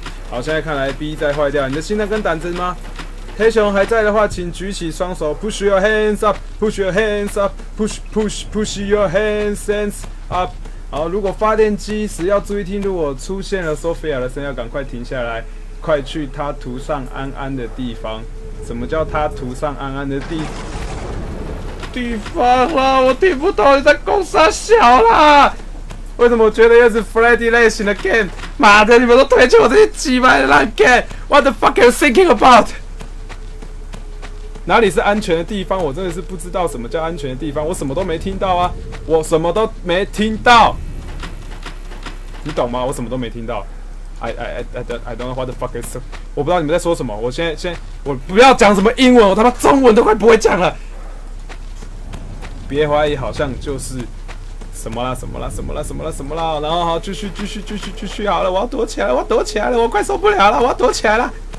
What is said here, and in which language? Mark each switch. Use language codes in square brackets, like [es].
[zh] 好，现在看来 B 在坏掉。你的心脏跟胆子吗？黑熊还在的话，请举起双手 ， [en] push your hands up， [zh] push your hands up，push your hands up。好，如果发电机时要注意听，如果出现了 Sophia 的声音，要赶快停下来，快去他涂上安安的地方。什么叫他涂上安安的地方啦？我听不懂你在攻啥小啦？为什么我觉得又是 Freddy 类型的 game？妈的，你们都推荐我这些鸡巴的烂 game？ [en] What the fuck are you thinking about？ [zh] 哪里是安全的地方？我真的是不知道什么叫安全的地方，我什么都没听到啊。我什么都没听到，你懂吗？我什么都没听到。 [en] I don't know what the fuck is， [zh] 我不知道你们在说什么。我现在我不要讲什么英文，我他妈中文都快不会讲了。别怀疑，好像就是什么啦，什么啦，什么啦，什么啦，什么啦。然后好，继续好了，我要躲起来了，我躲起来了，我快受不了了，我要躲起来了。